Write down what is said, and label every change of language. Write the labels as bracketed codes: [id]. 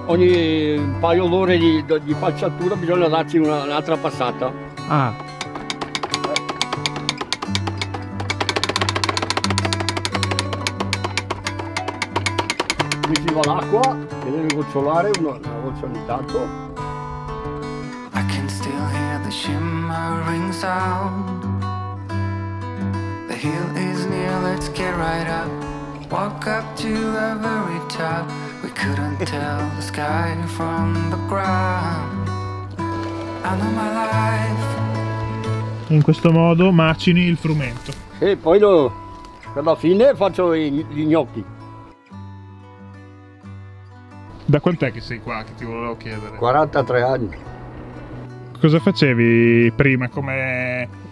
[it] Ogni paio d'ore di falciatura bisogna darci un'altra passata. Qui si va l'acqua e deve gocciolare una goccia ogni tanto. [en] I can still hear the shimmering sound. The hill is near, let's get right up. Walk up to the very top. We couldn't tell the sky from the ground. I know my life. [it] In questo modo macini il frumento. Sì, poi alla fine faccio gli gnocchi. Da quant'è che sei qua, che ti volevo chiedere? 43 anni. Cosa facevi prima, come...